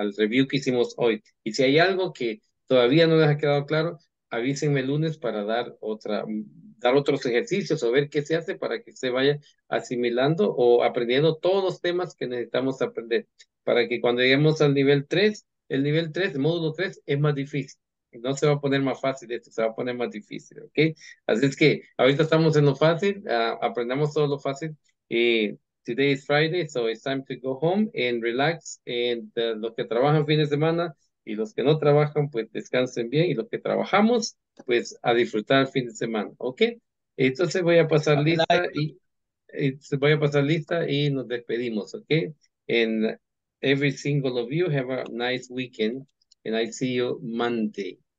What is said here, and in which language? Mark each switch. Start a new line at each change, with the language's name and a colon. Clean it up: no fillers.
Spanish: Al review que hicimos hoy. Y si hay algo que todavía no les ha quedado claro, avísenme el lunes para dar otros ejercicios o ver qué se hace para que se vaya asimilando o aprendiendo todos los temas que necesitamos aprender, para que cuando lleguemos al nivel 3, el nivel 3, el módulo 3, es más difícil. No se va a poner más fácil esto, se va a poner más difícil, ¿ok? Así es que ahorita estamos en lo fácil, aprendamos todo lo fácil.
English: Today is Friday, so it's time to go home and relax.
Spanish: And los que trabajan fin de semana y los que no trabajan, pues descansen bien. Y los que trabajamos, pues a disfrutar el fin de semana, ¿ok? Entonces voy a pasar lista y nos despedimos, ¿ok?
English: And every single of you have a nice weekend, and I see you Monday.